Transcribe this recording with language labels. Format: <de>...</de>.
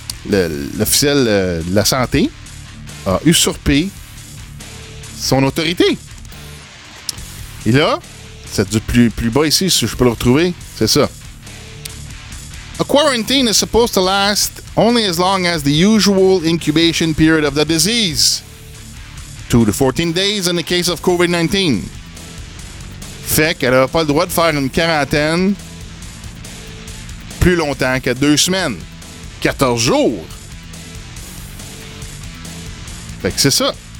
<fr>l'officiel de la santé a usurpé son autorité. Et là, c'est du plus bas ici, si je peux le retrouver, c'est ça.</fr> <en>A quarantine is supposed to last only as long as the usual incubation period of the disease. 2 to 14 days in the case of COVID-19.</en> <fr>Fait qu'elle n'a pas le droit de faire une quarantaine plus longtemps que 2 semaines. 14 jours. Fait que c'est ça.</fr>